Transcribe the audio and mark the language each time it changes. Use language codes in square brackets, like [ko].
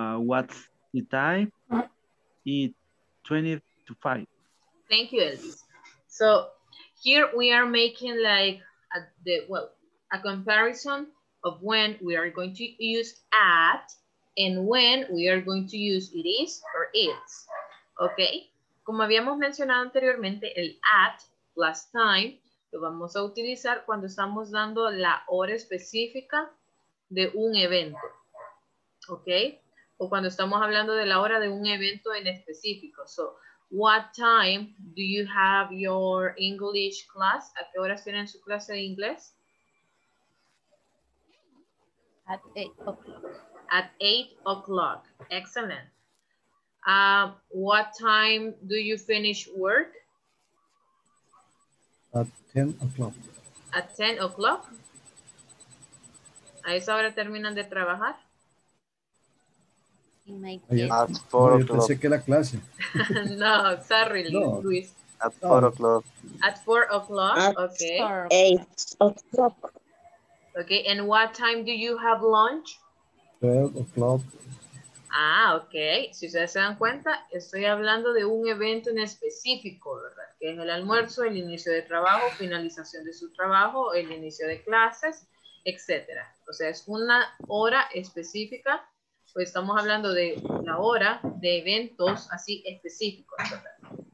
[en] What's the time? It's 20 to 5. Thank you, Elvis. So here we are making like a comparison of when we are going to use at and when we are going to use it is or it's, okay? [es] Como habíamos mencionado anteriormente, el at plus time lo vamos a utilizar cuando estamos dando la hora específica de un evento, okay? O cuando estamos hablando de la hora de un evento en específico. [en] So, what time do you have your English class? [es] ¿A qué horas tienen su clase de inglés? [en] At 8 o'clock. At 8 o'clock, excellent. What time do you finish work? At 10 o'clock. At 10 o'clock? [es] ¿A esa hora terminan de trabajar? [en] At 4 o'clock. [es] Pensé que la clase. [en] No, sorry, no. Luis. At 4 o'clock. At 4 o'clock, okay. At 8 o'clock. Okay, and what time do you have lunch? 12 o'clock. Ah, ok. [es] Si ustedes se dan cuenta, estoy hablando de un evento en específico, ¿verdad? Que es el almuerzo, el inicio de trabajo, finalización de su trabajo, el inicio de clases, etc. O sea, es una hora específica, pues estamos hablando de la hora de eventos así específicos, ¿verdad?